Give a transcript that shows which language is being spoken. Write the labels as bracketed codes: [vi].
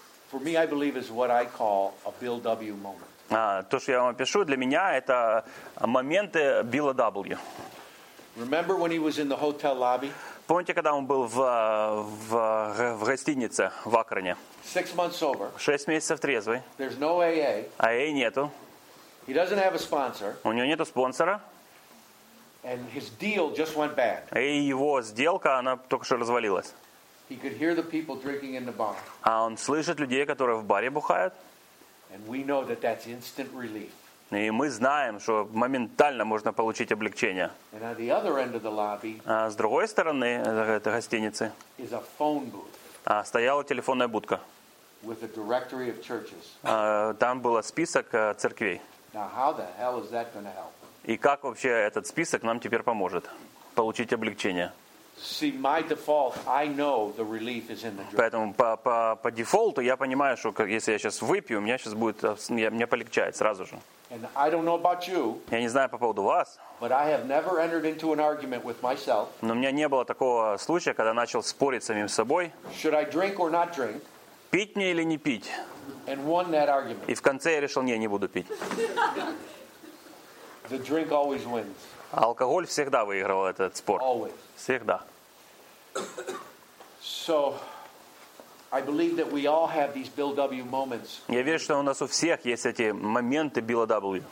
[en] For me, I believe is what I call a Bill W. moment. [ru] То, что я вам опишу, для меня это моменты Билла W. [en] Remember when he was in the hotel lobby? [ru] Помните, когда он был в гостинице в Акроне? [en] 6 months sober. [ru] 6 месяцев трезвый. [en] There's no AA. [ru] АА нету. [en] He doesn't have a sponsor. [ru] У него нету спонсора. [en] And his deal just went bad. [ru] И его сделка, она только что развалилась. [en] He could hear the people drinking in the bar. [ru] А он слышит людей, которые в баре бухают. [en] And we know that that's instant relief. [ru] И мы знаем, что моментально можно получить облегчение. [en] And on the other end of the lobby. [ru] А с другой стороны этой гостиницы. [en] Is a phone booth. [ru] Стояла телефонная будка. [en] With a directory of churches. [ru] Там был список церквей. [en] Now how the hell is that going to help? [ru] И как вообще этот список нам теперь поможет получить облегчение? [en] See, my default, I know the relief is in the drink. [ru] Поэтому по дефолту я понимаю, что если я сейчас выпью, у меня сейчас будет, мне полегчает сразу же. [en] And I don't know about you. [ru] Я не знаю по поводу вас. [en] But I have never entered into an argument with myself. [ru] Но у меня не было такого случая, когда начал спорить с самим собой. [en] Should I drink or not drink? [ru] Пить мне или не пить? [en] And won that argument. [ru] И в конце я решил, не буду пить. [en] The drink always wins. [ru] Алкоголь всегда выигрывал этот спор. [en] Always. [ru] Всегда. [en] So, I believe that we all have these Bill W. moments. [ru] Я верю, что у нас у всех есть эти моменты Билла W.